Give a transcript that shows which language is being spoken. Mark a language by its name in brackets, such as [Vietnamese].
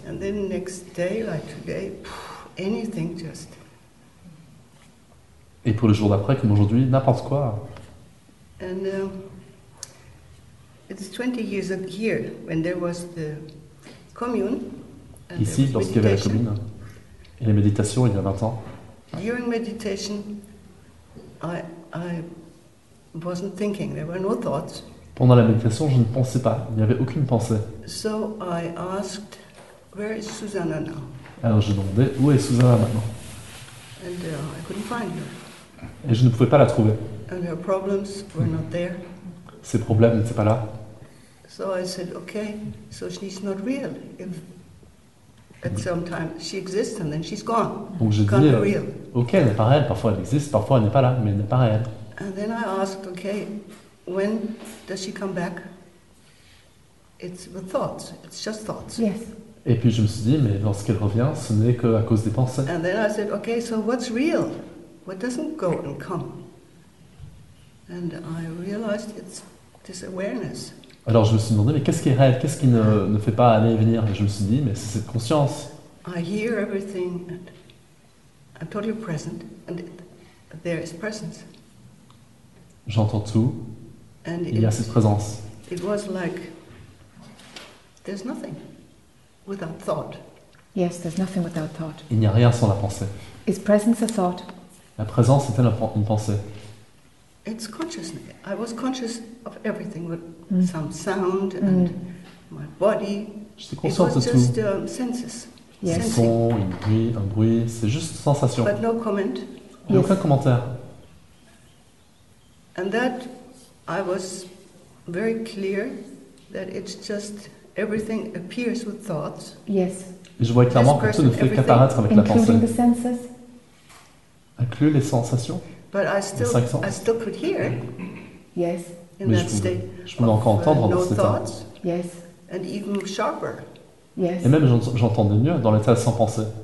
[English] And then next day, like today, anything just. [French] Et pour le jour d'après, comme aujourd'hui, n'importe quoi. [English] And it's 20 years a year when there was the commune. [French] Ici, lorsqu'il y avait la commune et les méditations il y a 20 ans. [English] During meditation, I wasn't thinking. There were no thoughts. [French] Pendant la méditation, je ne pensais pas. Il n'y avait aucune pensée. [English] So I asked, where is Susanna now? [French] Alors je demandais, où est Susanna maintenant? [English] And I couldn't find her. [French] Et je ne pouvais pas la trouver. [English] And her problems were not there. [French] Ses problèmes n'étaient pas là. [English] So I said, okay, so she's not real. If at some time she exists and then she's gone. [French] Donc je dis, ok, elle n'est pas réelle. Parfois elle existe, parfois elle n'est pas là, mais elle n'est pas réelle. [English] And then I asked, okay, when does she come back? It's the thoughts. It's just thoughts. Yes. [French] Et puis je me suis dit, mais lorsqu'elle revient, ce n'est que à cause des pensées. [English] And then I said, okay, so what's real? What doesn't go and come? And I realized it's this awareness. [French] Alors je me suis demandé, mais qu'est-ce qui est réel? Qu'est-ce qui ne fait pas aller et venir? Et je me suis dit, mais c'est cette conscience. [English] I hear everything and I'm totally present and there is presence. [French] J'entends tout. [English] And [French] il y a cette présence. [English] It was like there's nothing without thought. Yes, there's nothing without thought. [French] Il n'y a rien sans la pensée. [English] Is presence a thought? [French] La présence était une pensée. [English] It's consciousness. I was conscious of everything, with some sound and my body. [French] J'étais consciente de tout. [English] It was just senses. Yes. [French] Un son, un bruit, c'est juste sensation. [English] But no comment. Yes. [French] Aucun commentaire. [English] And that I was very clear that it's just everything appears with thoughts. Yes. [French] Et je vois clairement que tout ne fait qu'apparaître avec la pensée. [English] Including the senses. [French] Inclut les sensations. [English] But I still, [French] les cinq sens. [English] I still could hear. Yes. In [French] mais [English] that state. [French] Je pouvais encore entendre dans cet état. [English] Yes. And even sharper. Yes. [French] Et même j'entendais mieux dans l'état sans pensée.